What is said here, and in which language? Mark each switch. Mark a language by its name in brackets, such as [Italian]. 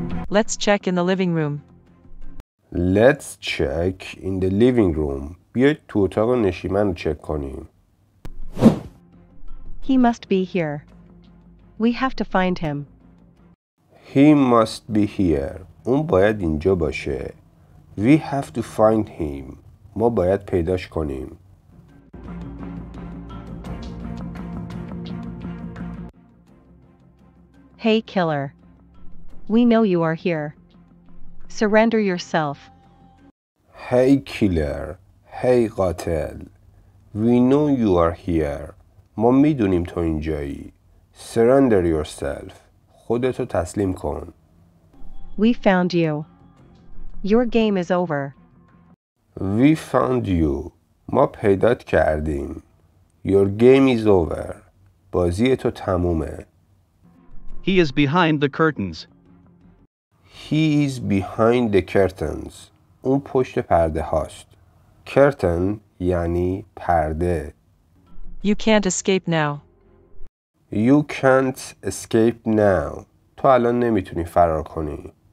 [English] Let's check in the living room. Let's check in the living room. [Persian] بیایید تو اتاق نشیمن رو چک کنیم. [English] He must be here. We have to find him. He must be here. [Persian] اون باید اینجا باشه. [English] We have to find him. [Persian] ما باید پیداش کنیم. [English] Hey killer. We know you are here. Surrender yourself. Hey killer. Hey قاتل. We know you are here. [Persian] ما میدونیم تو اینجایی. [English] Surrender yourself. [Persian] خودتو تسلیم کن. [English] We found you. Your game is over. We found you. [Persian] ما پیدات کردیم. [English] Your game is over. [Persian] بازی تو تمومه. [English] He is behind the curtains. He is behind the curtains. [Persian] اون پشت پرده هاست. Curtain یعنی پرده. [English] You can't escape now. You can't escape now. [Persian] تو الان نمیتونی فرار کنی.